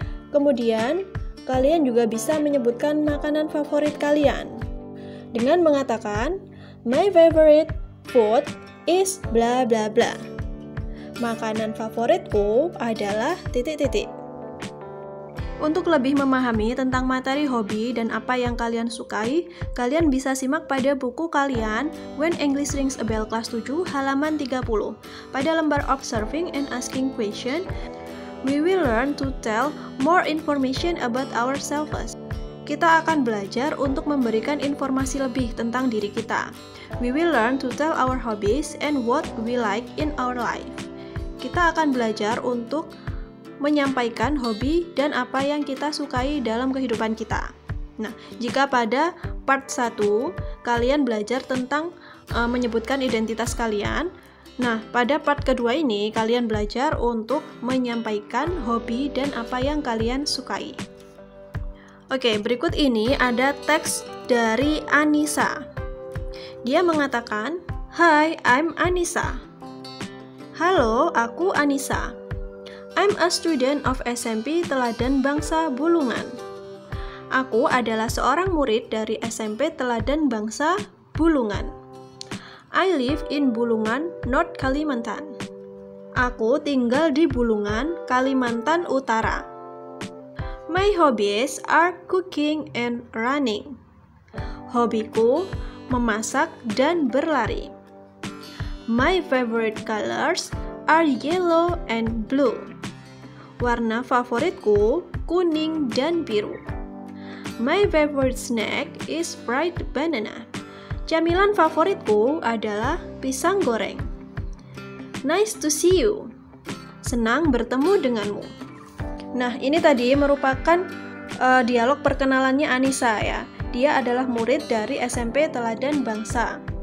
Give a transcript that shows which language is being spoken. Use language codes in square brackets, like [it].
[id] Kemudian, kalian juga bisa menyebutkan makanan favorit kalian dengan mengatakan [en] My favorite food is bla bla bla. [id] Makanan favoritku adalah titik-titik. Untuk lebih memahami tentang materi hobi dan apa yang kalian sukai, kalian bisa simak pada buku kalian When English Rings a Bell kelas 7 halaman 30. Pada lembar [en] Observing and Asking Question, we will learn to tell more information about ourselves. [id] Kita akan belajar untuk memberikan informasi lebih tentang diri kita. [en] We will learn to tell our hobbies and what we like in our life. [id] Kita akan belajar untuk menyampaikan hobi dan apa yang kita sukai dalam kehidupan kita. Nah, jika pada part 1 kalian belajar tentang menyebutkan identitas kalian, nah, pada part kedua ini kalian belajar untuk menyampaikan hobi dan apa yang kalian sukai. Oke, berikut ini ada teks dari Anissa. Dia mengatakan, [en] "Hi, I'm Anissa." [id] Halo, aku Anissa. [en] I'm a student of SMP Teladan Bangsa Bulungan. [id] Aku adalah seorang murid dari SMP Teladan Bangsa Bulungan. [en] I live in Bulungan, North Kalimantan. [id] Aku tinggal di Bulungan, Kalimantan Utara. [en] My hobbies are cooking and running. [id] Hobiku memasak dan berlari. [en] My favorite colors are yellow and blue. [id] Warna favoritku kuning dan biru. [en] My favorite snack is fried banana. [id] Camilan favoritku adalah pisang goreng. [en] Nice to see you. [id] Senang bertemu denganmu. Nah, ini tadi merupakan dialog perkenalannya Anissa ya. Dia adalah murid dari SMP Teladan Bangsa.